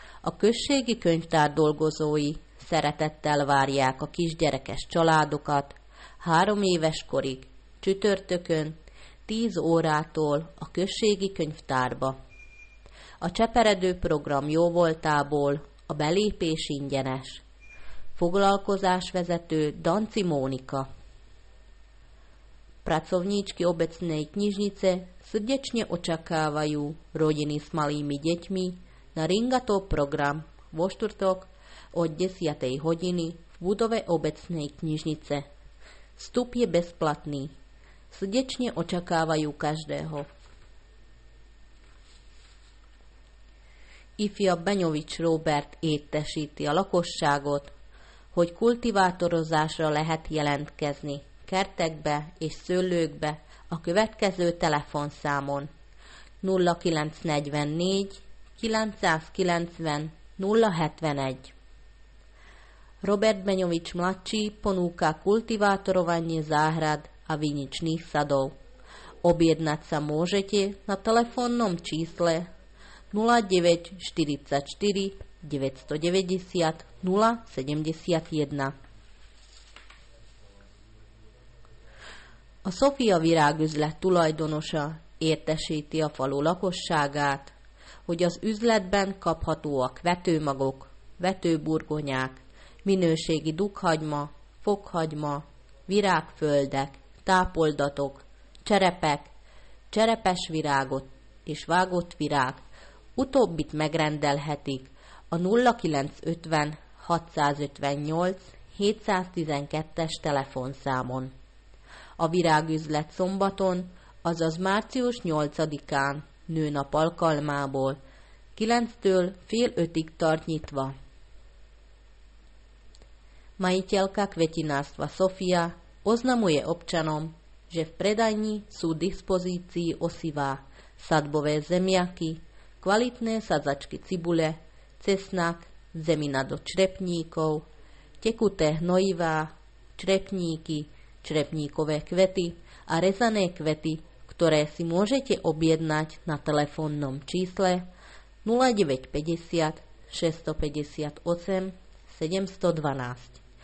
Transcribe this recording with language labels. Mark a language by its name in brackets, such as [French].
[Hungarian] A községi könyvtár dolgozói szeretettel várják a kisgyerekes családokat 3 éves korig, csütörtökön 10 órától a községi könyvtárba. A cseperedő program jóvoltából a belépés ingyenes. Foglalkozásvezető Danci Mónika. [Slovak] Pracovníčky obecnej knižnice srdečne očakávajú rodiny s malými deťmi na ringato program vo štvrtok od 10. hodiny v budove obecnej knižnice. Vstup je bezplatný. Srdečne očakávajú každého. [Hungarian] Ifjabb Benyovics Róbert értesíti a lakosságot, hogy kultivátorozásra lehet jelentkezni kertekbe és szőlőkbe a következő telefonszámon 0944 990 071. [Slovak] Robert Benyovics mladší ponúka kultivátorovanie záhrad a viničných sadov. Objednať sa môžete na telefónnom čísle 0944 990 071. [Hungarian] A Szofia virágüzlet tulajdonosa értesíti a falu lakosságát, hogy az üzletben kaphatóak vetőmagok, vetőburgonyák, minőségi dukhagyma, fokhagyma, virágföldek, tápoldatok, cserepek, cserepes virágot és vágott virág. Utóbbit megrendelhetik a 0950 658 712-es telefonszámon. A virágüzlet szombaton, azaz március 8-án nőnap alkalmából 9-től fél 5-ig tart nyitva. [Slovak] Majiteľka kvetinárstva Sofia oznamuje občanom, že v predajni sú k dispozícii osivá, sadbové zemiaky, kvalitné sadzačky cibule, cesnak, zemina do črepníkov, tekuté hnojivá, črepníky, črepníkové kvety a rezané kvety, ktoré si môžete objednať na telefónnom čísle 0950 658 712.